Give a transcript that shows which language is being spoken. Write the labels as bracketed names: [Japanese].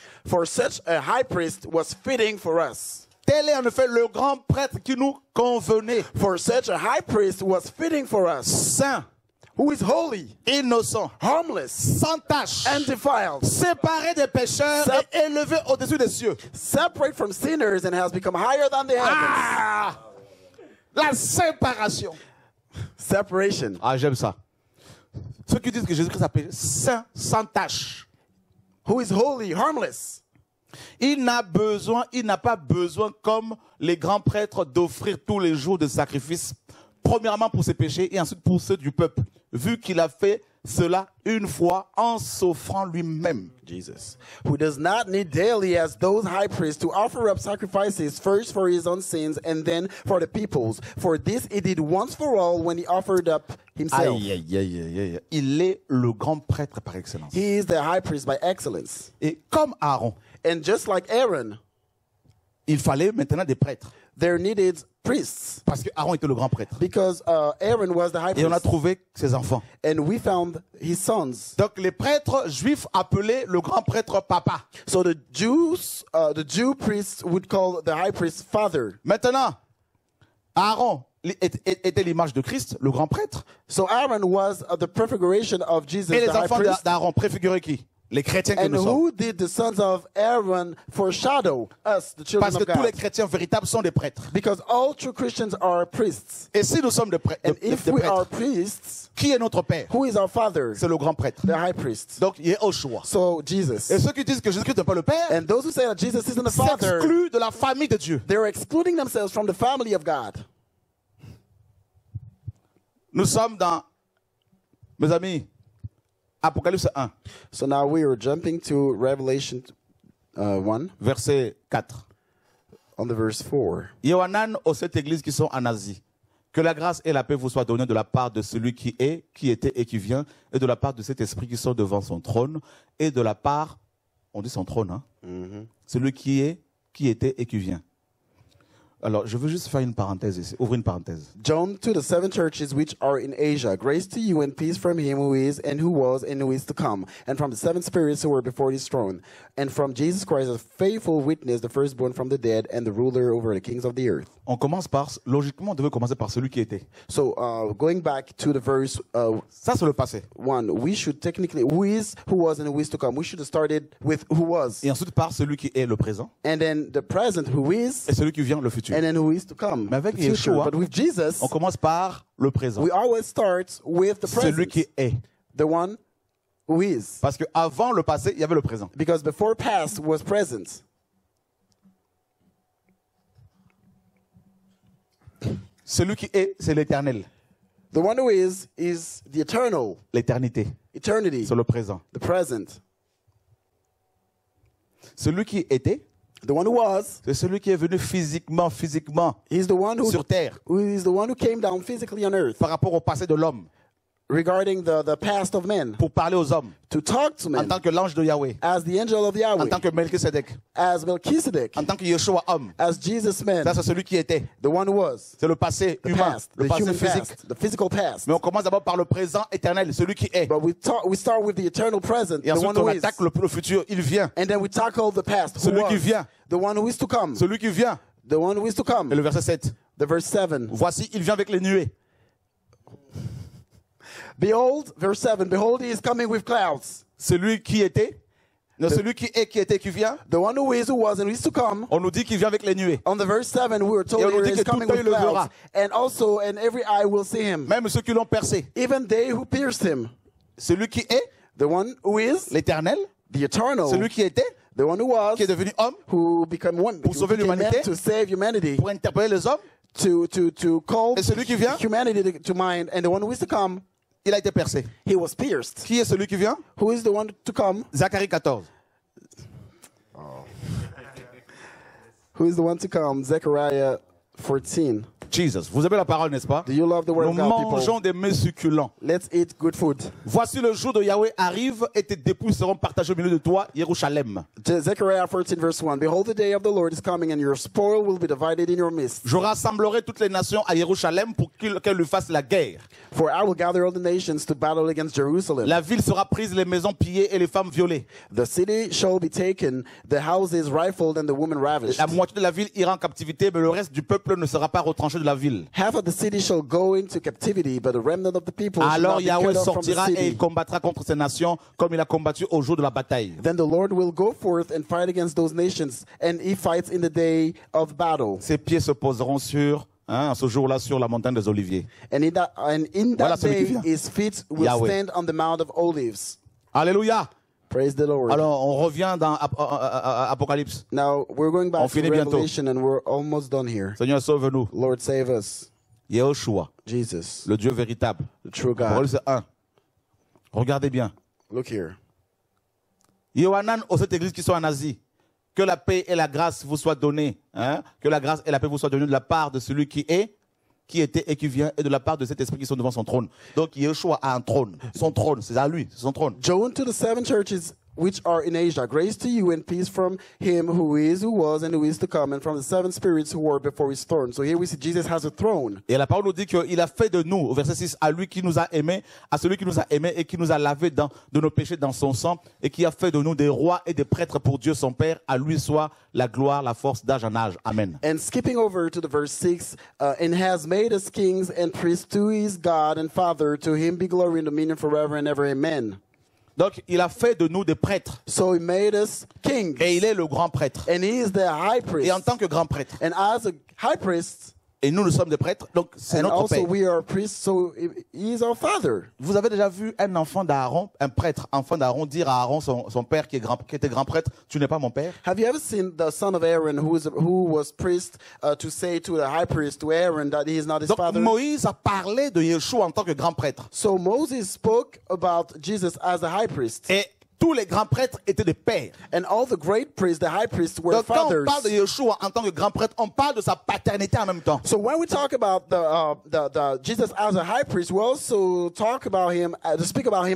[English] For such a high priest was fitting for us. [French] Tel est en effet le grand prêtre qui nous convenait. [English] For such a high priest was fitting for us. [French] Saint, [English] who is holy, [French] innocent, [English] harmless, [French] sans tache, [English] undefiled, [French] séparé des pécheurs et élevé au-dessus des cieux, [English] separate from sinners and has become higher than the heavens. [French] Ah, la séparation. [English] Separation. [French] Ah, j'aime ça. Ceux qui disent que Jésus-Christ a péché, saint, sans tache, [English] who is holy, harmless. [French] Il n'a pas besoin, comme les grands prêtres, d'offrir tous les jours de sacrifices, premièrement pour ses péchés et ensuite pour ceux du peuple, vu qu'il a fait cela une fois en s'offrant lui-même. [English] Jesus, who does not need daily as those high priests to offer up sacrifices first for his own sins and then for the people's, for this he did once for all when he offered up himself. [French] Aïe. Il est le grand prêtre par excellence. [English] He is the high priest by excellence. [French] Et comme Aaron. [English] And just like Aaron, [French] il fallait maintenant des prêtres. [English] There needed priests. [French] Parce que Aaron était le grand prêtre. [English] Because Aaron was the high priest. [French] Et on a trouvé ses enfants. [English] And we found his sons. [French] Donc les prêtres juifs appelaient le grand prêtre papa. [English] So the Jew priests would call the high priest father. [French] Maintenant, Aaron était l'image de Christ, le grand prêtre. [English] So Aaron was the prefiguration of Jesus. [French] Et les [English] the [French] enfants [English] high priest. [French] D'Aaron préfiguraient qui? Les chrétiens que [English] and [French] nous [English] who [French] sommes. [English] Did the sons of Aaron foreshadow us, the children [French] Parce [English] of God? [French] Parce que tous les chrétiens véritables sont des prêtres. [English] Because all true Christians are priests. [French] Et si nous sommes des prêtres, [English] and if we are priests, [French] qui est notre père? [English] Who is our father? [French] C'est le grand prêtre. [English] The high priest. [French] Donc Yeshua. [English] So Jesus. [French] Et ceux qui disent que Jésus-Christ n'est pas le père, [English] and those who say that Jesus isn't the father, [French] s'excluent de la famille de Dieu. [English] They are excluding themselves from the family of God. [French] Nous sommes dans, mes amis. Apocalypse 1. [English] So now we are jumping to Revelation 1. [French] Verset 4. [English] On the verse 4. [French] Yohanan aux sept églises qui sont en Asie. Que la grâce et la paix vous soient données de la part de celui qui est, qui était et qui vient, et de la part de cet esprit qui sort devant son trône, et de la part, on dit son trône, hein? Mm-hmm. Celui qui est, qui était et qui vient. Alors, je veux juste faire une parenthèse ici. Ouvre une parenthèse. [English] John to the seven churches which are in Asia. Grace to you and peace from him who is and who was and who is to come. And from the seven spirits who were before his throne. And from Jesus Christ, a faithful witness, the firstborn from the dead and the ruler over the kings of the earth. [French] On commence par, logiquement, on devait commencer par celui qui était. [English] So, going back to the verse. [French] Ça, c'est le passé. [English] One, we should technically, who is, who was and who is to come. We should have started with who was. [French] Et ensuite, par celui qui est, le présent. [English] And then the present, who is. [French] Et celui qui vient, le futur. [English] And then who is to come? [French] Mais avec Yeshua, [English] but with Jesus, [French] on commence par le présent. [English] We always start with the present. [French] Celui qui est. [English] The one who is. [French] Parce que avant le passé, il y avait le présent. [English] Because before past was present. [French] Celui qui est, c'est l'éternel. [English] The one who is the eternal. [French] L'éternité. [English] Eternity. [French] C'est le présent. [English] The present. [French] Celui qui était. [English] The one who was, [French] c'est celui qui est venu physiquement [English] he's the one who, [French] sur terre. [English] Who is the one who came down physically on earth. [French] Par rapport au passé de l'homme. [English] Regarding the past of men. [French] Pour parler aux hommes. [English] To talk to men. [French] En tant que l'ange de Yahweh. [English] As the angel of Yahweh. [French] En tant que Melchizedek. [English] As Melchizedek. [French] En tant que Yeshua homme. [English] As Jesus man. [French] Ça c'est celui qui était. [English] The one who was. [French] C'est le passé [English] the [French] humain. [English] Past, [French] le passé [English] human [French] physique. [English] Past, the physical past. [French] Mais on commence d'abord par le présent éternel, celui qui est. [English] But we start with the eternal present. [French] Et ensuite [English] the one [French] on [English] who [French] attaque [English] is. [French] Le futur, il vient. [English] And then we tackle the past. [French] Celui [English] who [French] qui [English] was. [French] Vient. [English] The one who is to come. [French] Celui qui vient. [English] The one who is to come. [French] Et le verset 7. [English] The verse 7. [French] Voici, il vient avec les nuées. [English] Behold, verse 7, behold, he is coming with clouds. [French] Celui qui était, non, celui qui est, qui était, qui vient. [English] The one who is, who was, and who is to come. [French] On nous dit qu'il vient avec les nuées. [English] On the verse 7, we were told he is coming with clouds. [French] Verra. [English] And also, and every eye will see him. [French] Même ceux qui l'ont percé. [English] Even they who pierced him. [French] Celui qui est. [English] The one who is. [French] L'éternel. [English] The eternal. [French] Celui qui était. [English] The one who was. [French] Qui est devenu homme. [English] Who became one. [French] Pour sauver l'humanité. [English] To save humanity. [French] Pour interpeller les hommes. [English] To call. [French] Et celui qui vient. [English] Humanity to mind. And the one who is to come. [French] Il a été percé. [English] He was pierced. [French] Qui est celui qui vient? [English] Who is the one to come? [French] Zacharie 14. [English] Oh. Who is the one to come? Zechariah 14. [French] Jesus, vous aimez la parole, n'est-ce pas? [English] Do you love the word [French] Nous [English] of God, people? [French] Nous mangeons des mets succulents. [English] Let's eat good food. [French] Voici le jour de Yahweh arrive et tes dépouilles seront partagées au milieu de toi, Jérusalem. [English] Zechariah 14, verse 1. Behold, the day of the Lord is coming and your spoil will be divided in your midst. [French] Je rassemblerai toutes les nations à Jérusalem pour qu'elles lui fassent la guerre. [English] For I will gather all the nations to battle against Jerusalem. [French] La ville sera prise, les maisons pillées et les femmes violées. [English] The city shall be taken, the houses rifled and the women ravished. [French] La moitié de la ville ira en captivité, mais le reste du peuple ne sera pas retranché de la ville. [English] Half of the city shall go into captivity, but the remnant of the people. [French] Alors Yahweh sortira et il combattra contre ces nations comme il a combattu au jour de la bataille. [English] Then the Lord will go forth and fight against those nations, and he fights in the day of battle. [French] Ses pieds se poseront sur ce jour-là sur la montagne des oliviers. [English] And in that day, his feet will Yahweh. Stand on the mount of olives. [French] Alléluia. [English] Praise the Lord. [French] Alors, on revient dans Apocalypse. [English] Now, we're going back [French] on finit [English] to [French] bientôt. [English] Revelation and we're almost done here. [French] Seigneur, sauve-nous. [English] Lord, save us. [French] Yahushua. [English] Jesus. [French] Le Dieu véritable. [English] The true God. [French] Paroles 1. Regardez bien. [English] Look here. [French] Yohanan, aux sept églises qui sont en Asie. Que la paix et la grâce vous soient données. Hein? Que la grâce et la paix vous soient données de la part de celui qui est, qui était et qui vient, et de la part de cet esprit qui sont devant son trône. Donc Yeshua a un trône. Son trône, c'est à lui, c'est son trône. [English] John to the seven churches which are in Asia. Grace to you and peace from him who is, who was, and who is to come, and from the seven spirits who were before his throne. So here we see Jesus has a throne. [French] Et la parole nous dit qu'il a fait de nous, au verset 6, à lui qui nous a aimés, à celui qui nous a aimés et qui nous a lavés dans, de nos péchés dans son sang, et qui a fait de nous des rois et des prêtres pour Dieu son Père, à lui soit la gloire, la force d'âge en âge. Amen. [English] And skipping over to the verse 6, and has made us kings and priests to his God and Father, to him be glory and dominion forever and ever. Amen. [French] Donc, il a fait de nous des prêtres. [English] So he made us kings. [French] Et il est le grand prêtre. [English] And he is the high priest. [French] Et en tant que grand prêtre. [English] And as a high priest. [French] Et nous, nous sommes des prêtres. Donc, c'est [English] and [French] notre [English] also [French] père. [English] We are priests, so he is our father. [French] Vous avez déjà vu un enfant d'Aaron, un prêtre, enfant d'Aaron, dire à Aaron, son père, qui était grand prêtre, tu n'es pas mon père? [English] Have you ever seen the son of Aaron, who was priest, to say to the high priest, to Aaron, that he is not his [French] Donc, [English] father? [French] Donc, Moïse a parlé de Yeshua en tant que grand prêtre. [English] So Moses spoke about Jesus as a high priest. [French] Et tous les grands prêtres étaient des pères. [English] And all the great priests, the high priests, were [French] Donc, [English] fathers. [French] Quand on parle de Yeshua en tant que grand prêtre, on parle de sa paternité en même temps. [English] So when we talk about the Jesus as a high priest, we also talk about him, speak about him